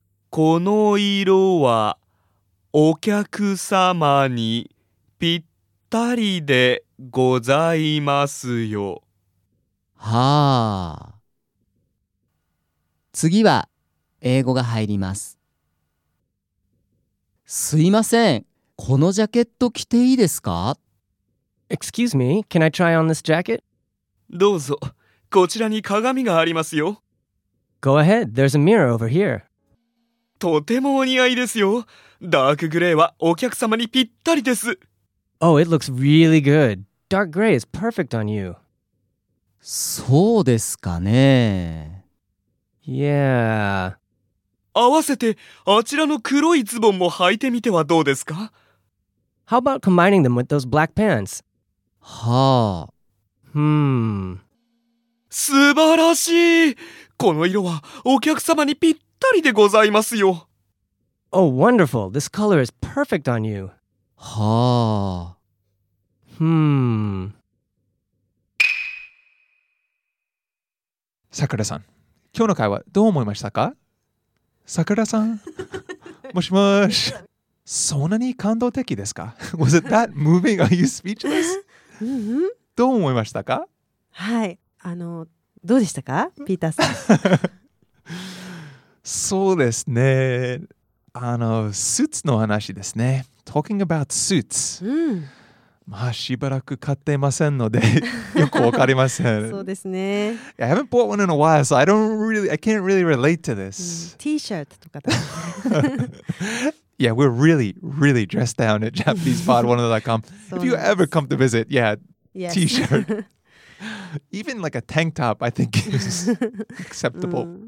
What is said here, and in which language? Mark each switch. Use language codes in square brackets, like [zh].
[ja] この色はお客様にぴったりでございますよ。はあ。次は英語が入ります。すいません。このジャケット着ていいですか? [en] Excuse me, can I try on this jacket? [ja] どうぞ。こちらに鏡がありますよ。 [en] Go ahead, there's a mirror over here. [ja] とてもお似合いですよ。ダークグレーはお客様にぴったりです。 [en] Oh, it looks really good. Dark gray is perfect on you. [ja] そうですかね。 [en] Yeah. [ja] 合わせてあちらの黒いズボンも履いてみてはどうですか? [en] How about combining them with those black pants? [ja] はあ。素晴らしい。この色はお客様にぴったりでございますよ。 [en] Oh, wonderful. This color is perfect on you. [ja] はあ。桜さん、今日の会話どう思いましたか?桜さん、もしもし、そんなに感動的ですか? [en] Was it that moving? Are you speechless? [ja] どう思いましたか? はい、どうでしたか?ピーターさん。そうですね、スーツの話ですね。 [en] Talking about suits。 [ja] まあしばらく買っていませんのでよくわかりませんそうですね。 [en] I haven't bought one in a while, so I can't really relate to this. [ja] T-shirt とかだ。 [en] Yeah, we're really, really dressed down at JapanesePod101.com. If you ever come to visit, T-shirt. Even like a tank top, I think is acceptable.